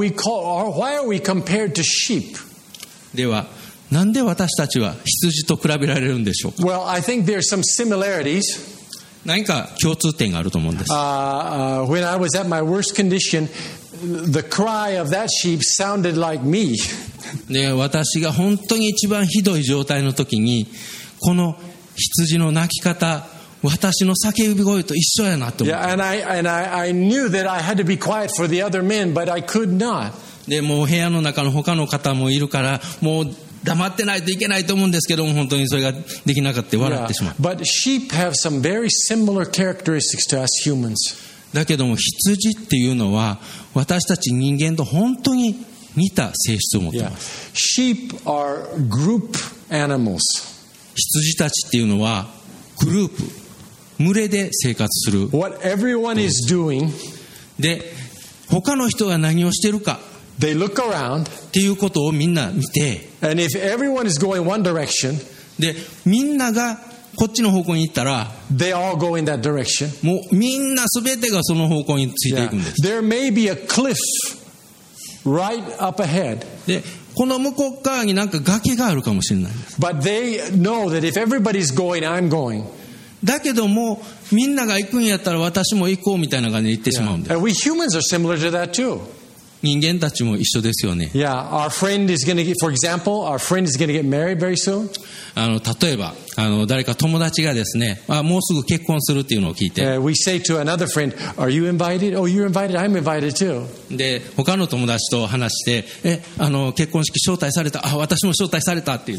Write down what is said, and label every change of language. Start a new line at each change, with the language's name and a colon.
English: Why are we compared to sheep?
Japanese: では、なんで私たちは羊と比べられるんでしょうか?
English: Well, I think there are some similarities.
Japanese: 何か共通点があると思うんです。
English: When I was at my worst condition, the cry of that sheep sounded like me.
Japanese: で、私が本当に一番ひどい状態の時に、この羊の鳴き方、私の叫び声と一緒やなと思って。
English: Yeah, and I knew that I had to be quiet for the other men, but I could not.
Japanese: で、もう部屋の中の他の方もいるから、もう黙ってないといけないと思うんですけども、本当にそれができなかったって笑ってしまう。
English: Yeah, but sheep have some very similar characteristics to us humans.
Japanese: だけども羊っていうのは私たち人間と本当に似た性質を持っています。
English: Yeah. Sheep are group animals.
Japanese: 羊たちっていうのはグループ、群れで生活する。
English: What everyone is doing,
Japanese: で、他の人が何をしてるか、
English: they look around,
Japanese: っていうことをみんな見て、
English: and if everyone is going one direction,
Japanese: で、みんながこっちの方向に行ったら、
English: they all go in that direction.
Japanese: もうみんなすべてがその方向についていくんです。
English: Yeah. There may be a cliff right up ahead.
Japanese: で、この向こう側になんか崖があるかもしれない。
English: But they know that if everybody's going, I'm going.
Japanese: だけどもみんなが行くんやったら私も行こうみたいな感じで行ってしまうんです。
English: Yeah. We humans are similar to that too.
Japanese: 人間たちも一緒ですよね。
English: Yeah, our friend is going to get, for example, our friend is going to get married very soon.
Japanese: 例えば誰か友達がですね、もうすぐ結婚するっていうのを聞いて、
English: we say to another friend, "Are you invited? Oh, you're invited. I'm invited too."
Japanese: で、他の友達と話して、結婚式招待された、私も招待されたっていう。